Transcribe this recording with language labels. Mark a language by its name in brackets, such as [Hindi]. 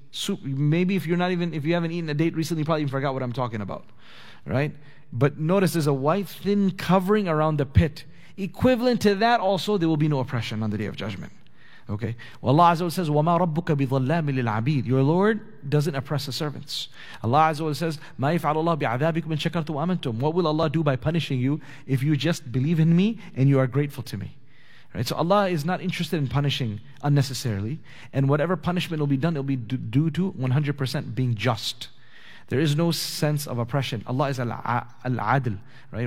[English] So maybe if you haven't eaten a date recently, you probably forgot what I'm talking about, right? But notice there's a white thin covering around the pit. Equivalent to that also, there will be no oppression on the day of judgment. Okay. Well, Allah Azza wa says, [Arabic] وَمَا رَبُّكَ بِظَلَّامِ لِلْعَبِيدِ. [English] Your Lord doesn't oppress the servants. Allah Azza wa says, [Arabic] مَا يَفْعَلُ اللَّهُ بِعَذَابِكُمْ إِنْ شَكَرْتُمْ وَآمَنْتُمْ. [English] What will Allah do by punishing you if you just believe in me and you are grateful to me? Right? So Allah is not interested in punishing unnecessarily. And whatever punishment will be done, it will be due to 100% being just. There is no sense of oppression. Allah is Al-Adl, right?